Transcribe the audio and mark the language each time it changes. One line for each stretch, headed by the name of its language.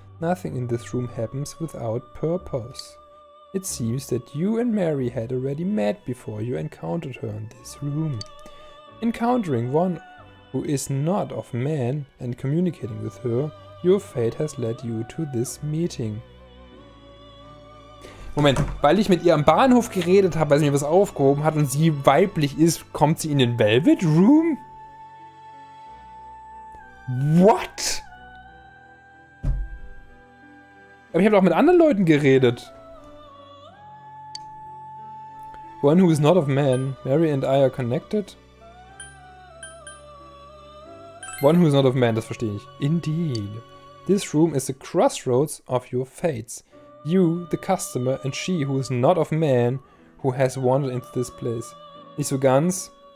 English: Nothing in this room happens without purpose. It seems that you and Mary had already met before you encountered her in this room. Encountering one who is not of man and communicating with her, your fate has led you to this meeting.
German: Moment, weil ich mit ihr am Bahnhof geredet habe, weil sie mir was aufgehoben hat und sie weiblich ist, kommt sie in den Velvet Room?
English: What?
German: Aber ich habe auch mit anderen Leuten geredet.
English: One who is not of man, Mary and I are connected. One who is not of man,
German: das verstehe ich.
English: Indeed. This room is the crossroads of your fates. You, the customer, and she who is not of man, who has wandered into this place.
German: Nicht so ganz?